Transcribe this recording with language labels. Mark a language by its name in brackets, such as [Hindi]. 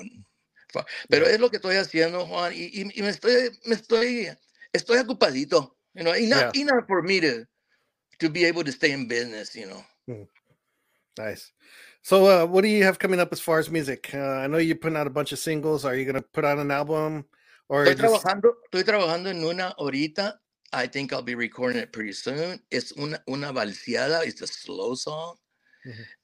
[Spanish] And pero es lo que estoy haciendo, Juan, y me estoy ocupadito, [English] enough for me to be able to stay in business, [Spanish] Nice. [English] So what do you have coming up as far as music? I know you're putting out a bunch of singles. Are you gonna put out an album? [Spanish] Estoy trabajando en una ahorita. [English] I think I'll be recording it pretty soon. It's una valseada. It's a slow song. Mm-hmm.